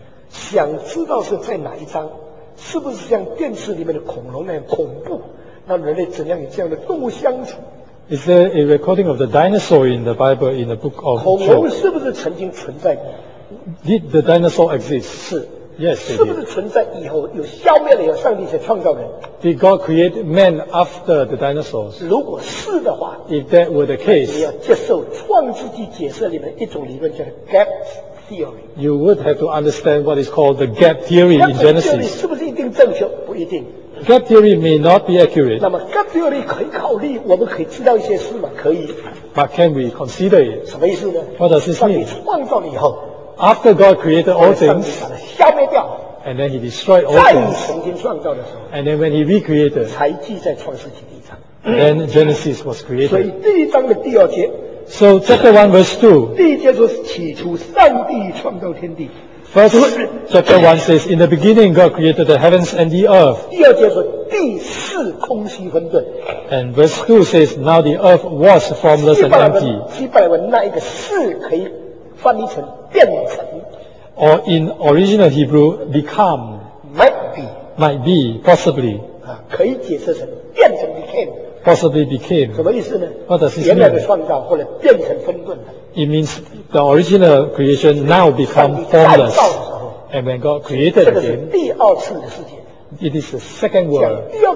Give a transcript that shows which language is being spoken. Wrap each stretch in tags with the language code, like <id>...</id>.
<zh>想知道是在哪一章，是不是像电视里面的恐龙那样恐怖，那人类怎样与这样的动物相处。</zh> <en>Is there a recording of the dinosaur in the Bible in the book of Job?</en> <zh>恐龙是不是曾经存在过?</zh> <en>Did the dinosaur exist?</en> <zh>是。</zh> <en>Yes,</en> <zh>是不是存在以后有消灭了以后上帝才创造人?</zh> <en>Did God create man after the dinosaurs?</en> <zh>如果是的话,</zh> <en>if that were the case,</en> <zh>你要接受创世纪解释里面一种理论叫做 gap theory.</zh> <en>You would have to understand what is called the gap theory in Genesis.</en> <zh>Gap theory 是不是一定正确?不一定。</zh> <en>Gap theory may not be accurate.</en> <zh>那么 gap theory 可以考虑，我们可以知道一些事吗？可以。</zh> <en>But can we consider it?</en> <zh>什么意思呢？</zh> <en>What does this mean?</en> <zh>上帝创造了以后，</zh> <en>after God created all things,</en> <zh>上帝把它消灭掉，</zh> <en>and then he destroyed all things,</en> <zh>再重新创造的时候，</zh> <en>and then when he recreated,</en> <zh>才记在创世纪第一章，</zh> <en>then Genesis was created.</en> <zh>所以第一章的第二节，</zh> <en>so chapter 1 verse 2,</en> <zh>第一节说起初上帝创造天地。</zh> <en>First, chapter 1 says, in the beginning God created the heavens and the earth.</en> <zh>第二节说地是空虚混沌。</zh> <en>And verse 2 says, now the earth was formless and empty.</en> <zh>希伯来文那一个是可以翻译成变成。</zh> <en>Or in original Hebrew, become. Might be. Might be, possibly.</en> <zh>可以解释成变成 became.</zh> <en>Possibly became.</en> <zh>什么意思呢?</zh> <en>What does this mean?</en> <zh>原来的创造后来变成混沌的。</zh> <en>It means the original creation now become formless. And when God created again, it is the second world.</en>